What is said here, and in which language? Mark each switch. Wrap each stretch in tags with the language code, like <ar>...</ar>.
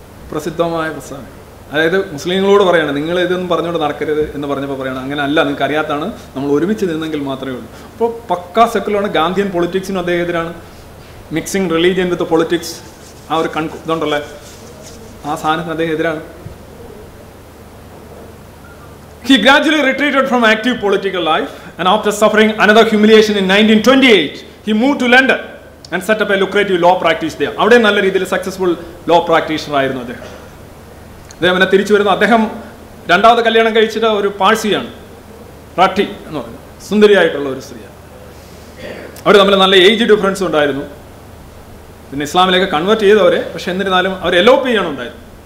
<ml>പ്രസിദ്ധമായ പ്രസ്താവന. അതായത് മുസ്ലിങ്ങളോട് പറയാണ്, നിങ്ങൾ ഇതൊന്നും പറഞ്ഞുകൊണ്ട് നടക്കരുത് എന്ന് പറഞ്ഞപ്പോൾ പറയണം, അങ്ങനെയല്ല, നിങ്ങൾക്ക് അറിയാത്തതാണ്, നമ്മൾ ഒരുമിച്ച് നിന്നെങ്കിൽ മാത്രമേ ഉള്ളൂ. അപ്പോൾ പക്കാ സെക്കുലറാണ്, ഗാന്ധിയൻ പൊളിറ്റിക്സിനും അദ്ദേഹം എതിരാണ്.</ml> <en>mixing religion with politics,</en> <ml>ആ ഒരു കൺ ഇതുണ്ടല്ലേ, ആ സാധനത്തിന് അദ്ദേഹം എതിരാണ്.</ml> <en>He gradually retreated from active political life, and after suffering another humiliation in 1928, he moved to London and set up a lucrative law practice there.</en> <ml>അവിടെ നല്ല രീതിയിൽ സക്സസ്ഫുൾ ലോ പ്രാക്ടീഷണർ ആയിരുന്നു അദ്ദേഹം. അദ്ദേഹം എന്നെ തിരിച്ചു വരുന്നു. അദ്ദേഹം രണ്ടാമത് കല്യാണം കഴിച്ചിട്ട് ഒരു പാഴ്സിയാണ്, റാട്ടി എന്ന് പറഞ്ഞു, സുന്ദരിയായിട്ടുള്ള ഒരു സ്ത്രീയാണ്. അവർ തമ്മിൽ നല്ല ഏജ് ഡിഫറൻസ് ഉണ്ടായിരുന്നു. പിന്നെ ഇസ്ലാമിലേക്ക് കൺവേർട്ട് ചെയ്തവരെ, പക്ഷെ എന്നിരുന്നാലും അവർ എലോപ്പി ചെയ്യണമുണ്ടായിരുന്നു.</ml>